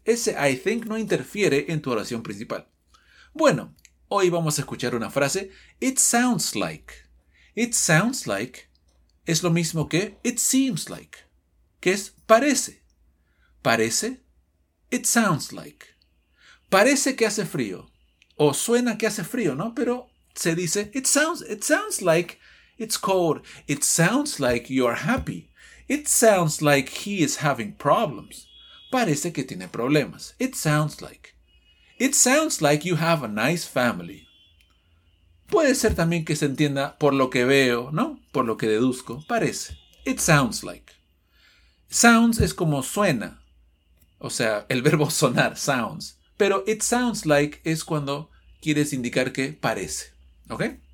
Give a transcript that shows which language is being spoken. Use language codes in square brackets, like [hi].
[es] Ese [en] I think [es] no interfiere en tu oración principal. Bueno, hoy vamos a escuchar una frase. [en] It sounds like. It sounds like [es] es lo mismo que [en] it seems like, [es] que es parece. Parece, [en] it sounds like. [es] Parece que hace frío, o suena que hace frío, ¿no? Pero se dice, [en] it sounds like it's cold. It sounds like you're happy. It sounds like he is having problems. [es] Parece que tiene problemas. [en] It sounds like. It sounds like you have a nice family. [es] Puede ser también que se entienda por lo que veo, ¿no? Por lo que deduzco. Parece. [en] It sounds like. Sounds [es] es como suena. O sea, el verbo sonar, [en] sounds. [es] Pero [en] it sounds like [es] es cuando quieres indicar que parece. ¿Ok?